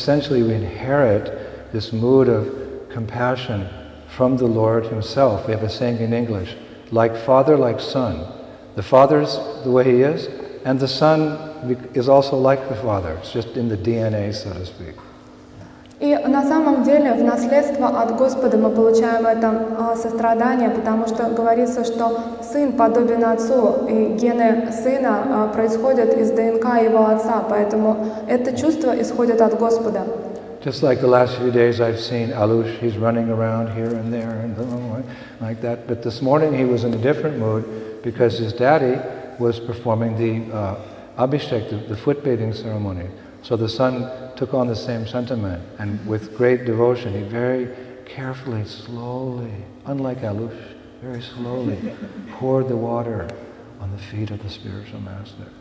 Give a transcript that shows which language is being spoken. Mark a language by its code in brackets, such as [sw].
[en] We inherit this mood of compassion from the Lord Himself. We have a saying in English, like father, like son. The father is the way he is, and the son is also like the father. It's just in the DNA, so to speak. [ru] И на самом деле в наследство от Господа мы получаем это сострадание, потому что говорится, что сын подобен отцу, и гены сына происходят из ДНК его отца, поэтому это чувство исходит от Господа. [en] Just like the last few days I've seen Alush, he's running around here and there and like that. But this morning he was in a different mood because his daddy was performing the Abhishek, the foot bathing ceremony. So the son took on the same sentiment and with great devotion, he very carefully, slowly, unlike Alush, very slowly poured the water on the feet of the spiritual master.